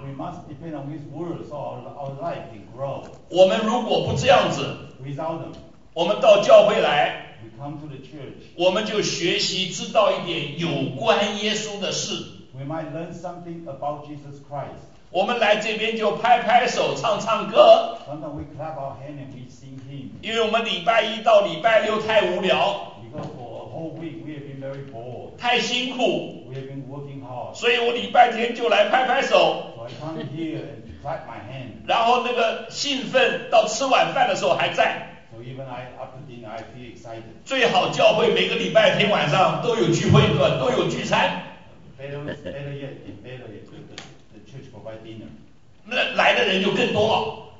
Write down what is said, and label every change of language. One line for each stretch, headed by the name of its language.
English: We must depend on his words so our life can grow.
Chinese: 我们如果不这样子
English: Without them,
Chinese: 我们到教会来
English: we come to the church.
Chinese: 我们就学习知道一点有关耶稣的事
English: We might learn something about Jesus Christ.
Chinese: 我们来这边就拍拍手唱唱歌
English: Sometimes we clap our hand and we sing him.
Chinese: 因为我们礼拜一到礼拜六太无聊
English: Because for a whole week we have been very bored.
Chinese: 太辛苦
English: We have been working hard.
Chinese: 所以我礼拜天就来拍拍手
English: So I come here and clap my hand.
Chinese: 然后那个兴奋到吃晚饭的时候还在
English: So even I, after dinner I feel excited.
Chinese: 最好教会每个礼拜天晚上都有聚会都有聚餐
English: Better yet. Church provide dinner.
Chinese: 那来的人就更多了。